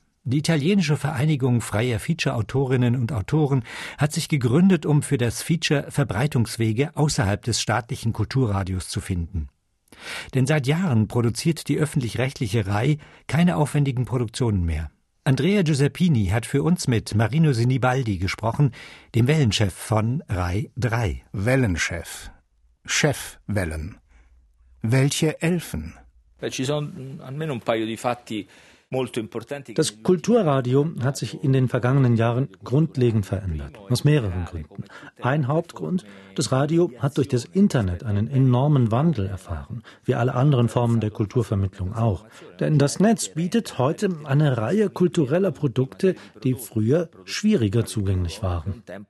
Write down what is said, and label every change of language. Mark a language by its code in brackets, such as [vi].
[de] Die italienische Vereinigung freier Feature-Autorinnen und Autoren hat sich gegründet, um für das Feature Verbreitungswege außerhalb des staatlichen Kulturradios zu finden. Denn seit Jahren produziert die öffentlich-rechtliche RAI keine aufwendigen Produktionen mehr. Andrea Giuseppini hat für uns mit Marino Sinibaldi gesprochen, dem Wellenchef von RAI 3. Wellenchef. Chefwellen. Welche Elfen? [it] Ci sono almeno un paio di fatti. [de] Das Kulturradio hat sich in den vergangenen Jahren grundlegend verändert, aus mehreren Gründen. Ein Hauptgrund, das Radio hat durch das Internet einen enormen Wandel erfahren, wie alle anderen Formen der Kulturvermittlung auch. Denn das Netz bietet heute eine Reihe kultureller Produkte, die früher schwieriger zugänglich waren.